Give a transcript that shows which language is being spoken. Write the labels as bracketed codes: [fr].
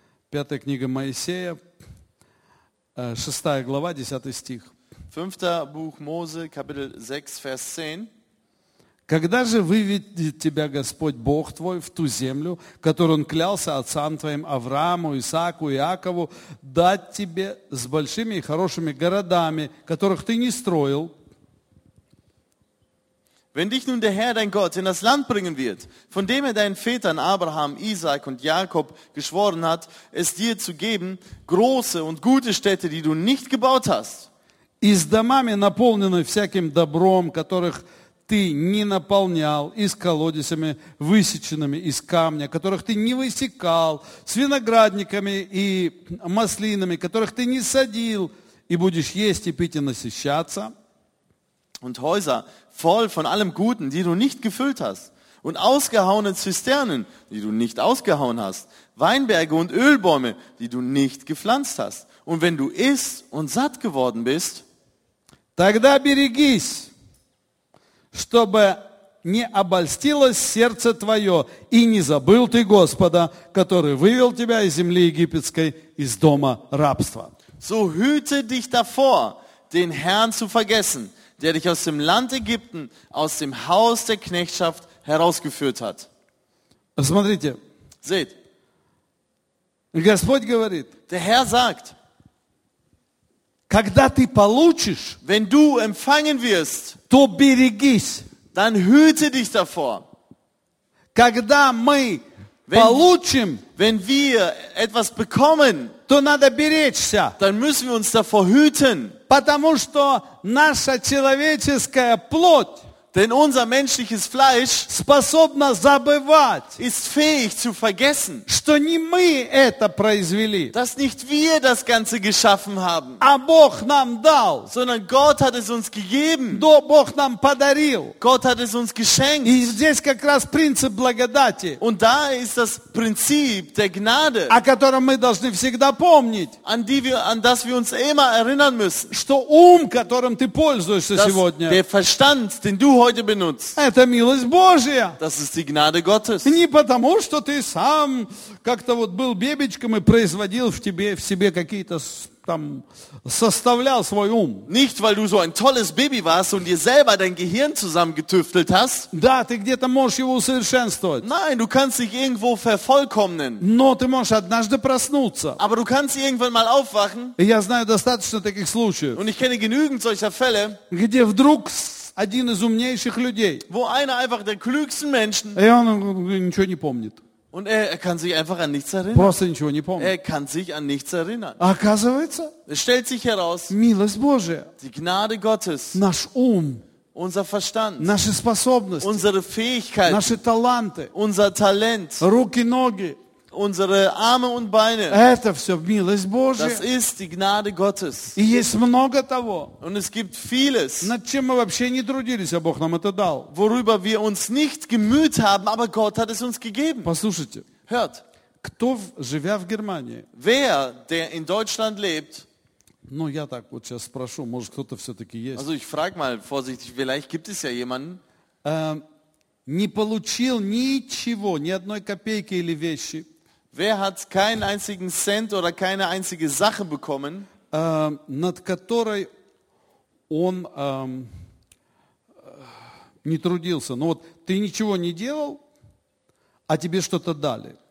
[ru] Пятая книга Моисея, шестая глава, десятый стих. [de] Fünfter Buch Mose, Kapitel 6, Vers 10. [ru] Когда же выведет тебя Господь Бог твой в ту землю, которую Он клялся отцам твоим Аврааму, Исааку, Иакову, дать тебе с большими и хорошими городами, которых ты не строил? [de] Wenn dich nun der Herr, dein Gott, in das Land bringen wird, von dem er deinen Vätern Abraham, Isaac und Jakob geschworen hat, es dir zu geben, große und gute Städte, die du nicht gebaut hast. [ru] И с домами, наполненными всяким добром, которых ты не наполнял, и с колодезями, высеченными из камня, которых ты не высекал, с виноградниками и маслинами, которых ты не садил, и будешь есть и пить и насыщаться. [de] Und Häuser voll von allem Guten, die du nicht gefüllt hast, und ausgehauene Zisternen, die du nicht ausgehauen hast, Weinberge und Ölbäume, die du nicht gepflanzt hast. Und wenn du isst und satt geworden bist, [ru] тогда берегись, чтобы не обольстилось сердце твое, и не забыл ты Господа, который вывел тебя из земли египетской, из дома рабства. [de] So hüte dich davor, den Herrn zu vergessen, der dich aus dem Land Ägypten, aus dem Haus der Knechtschaft herausgeführt hat. [ru] Смотрите. [de] Seht. [ru] Господь говорит. [de] Der Herr sagt. [ru] Когда ты получишь, [de] wenn du empfangen wirst, [ru] то берегись, [de] dann hüte dich davor. [ru] Когда мы получим, [de] wenn wir etwas bekommen, [ru] то надо беречься, [de] dann müssen wir uns davor hüten, [ru] потому что наша человеческая плоть, [de] Denn unser menschliches Fleisch [ru] способно забывать, [de] ist fähig zu vergessen, [ru] что не мы это произвели, [de] dass nicht wir das Ganze geschaffen haben, [ru] а Бог нам дал, [de] sondern Gott hat es uns gegeben, [ru] да, Бог нам подарил, [de] Gott hat es uns geschenkt. [ru] И здесь как раз принцип благодати, [de] und da ist das Prinzip der Gnade, [ru] о котором мы должны всегда помнить, [de] an das wir uns immer erinnern müssen, [ru] что ум, которым ты пользуешься [de] dass [ru] сегодня, [de] der Verstand, den du heute benutzt. [ru] Это милость Божия. [de] Das ist die Gnade Gottes. [ru] Не потому, что ты сам как-то вот был бебечком и производил в тебе, в себе какие-то там составлял свой ум. [de] Nicht, weil du so ein tolles Baby warst und dir selber dein Gehirn zusammengetüftelt hast. [ru] Да, ты где-то можешь его усовершенствовать. [de] Nein, du kannst dich irgendwo vervollkommnen. [ru] Но ты можешь однажды проснуться. [de] Aber du kannst irgendwann mal aufwachen. [ru] Я знаю достаточно таких случаев. [de] Und ich kenne genügend solcher Fälle, [ru] где вдруг один из умнейших людей. [de] Wo einer einfach der klügsten Menschen, [ru] и он ничего не помнит. [de] Und er kann sich einfach an nichts erinnern. [ru] Просто ничего не помнит. [de] Er kann sich an nichts erinnern. [ru] Оказывается, [de] es stellt sich heraus, [ru] милость Божия, [de] die Gnade Gottes, [ru] наш ум, [de] unser Verstand, [ru] наши способности, [de] unsere Fähigkeiten, [ru] наши таланты, [de] unser Talent, [ru] руки, ноги, [de] unsere Arme und Beine. [ru] Это все милость Божия. [de] Das ist die Gnade Gottes. [ru] И есть много того. [de] Und es gibt vieles. [ru] Над чем мы вообще не трудились, а Бог нам это дал. [de] Worüber wir uns nicht gemüht haben, aber Gott hat es uns gegeben. [ru] Послушайте. [de] Hört. [ru] Кто, живя в Германии? [de] Wer, der in Deutschland lebt? [ru] Ну я так вот сейчас спрошу, может кто-то все-таки есть. [de] Also ich frage mal vorsichtig, vielleicht gibt es ja jemanden. [ru] Не получил ничего, ни одной копейки или вещи. [de] Wer hat keinen einzigen Cent oder keine einzige Sache bekommen, [ru] над которой он не трудился? Ну вот ты ничего не делал, а тебе что-то дали.